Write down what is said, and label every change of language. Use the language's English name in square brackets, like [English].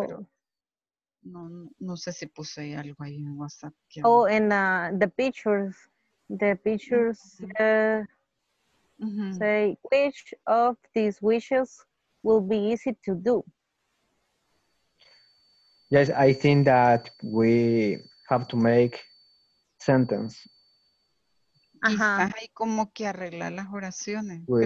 [Spanish] Pero no sé si puse algo ahí en WhatsApp. ¿Quién? [English] Oh, en the pictures. The pictures say, which of these wishes will be easy to do? Yes, I think that we have to make sentence. [Spanish] Quizás hay como que arreglar las oraciones, [French] oui.